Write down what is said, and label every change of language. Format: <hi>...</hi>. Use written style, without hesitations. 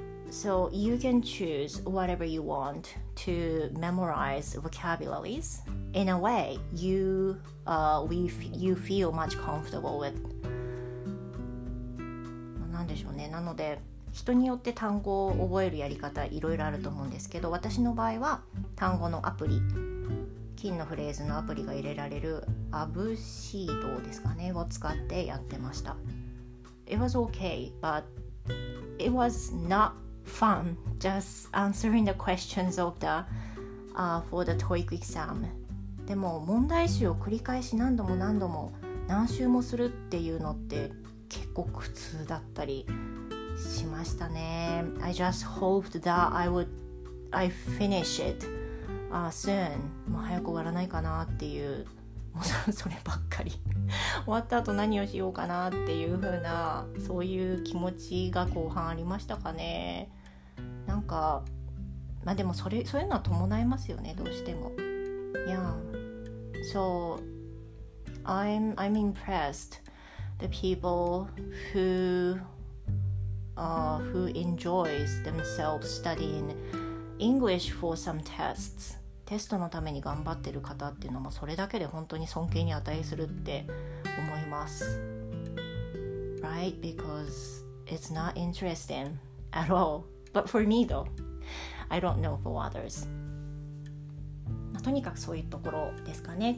<en>So you can choose whatever you want to memorize vocabularies in a way you feel much comfortable with.</en> <ja>なんでしょうね。なので人によって単語を覚えるやり方いろいろあると思うんですけど、私の場合は単語のアプリ、金のフレーズのアプリが入れられるアブシードですかねを使ってやってました。</ja> <en>It was okay, but it was not fun just answering the questions of the for the TOEIC exam.</en> <ja>でも問題集を繰り返し何度も何周もするっていうのって結構苦痛だったりしましたね。</ja> <en>I just hoped that I finish itsoon.</en> <ja>もう早く終わらないかなっていう、もうそればっかり終わった後何をしようかなっていう風な、そういう気持ちが後半ありましたかね。なんかまあでもそういうのは伴いますよね、どうしても。</ja> <en>Yeah, so I'm impressed the people who enjoys themselves studyingEnglish for some tests.</en> <ja>テストのために頑張ってる方っていうのもそれだけで本当に尊敬に値するって思います。</ja> <en>Right? Because it's not interesting at all. But for me though, I don't know for others.</en> <ja>とにかくそういうところですかね。</ja>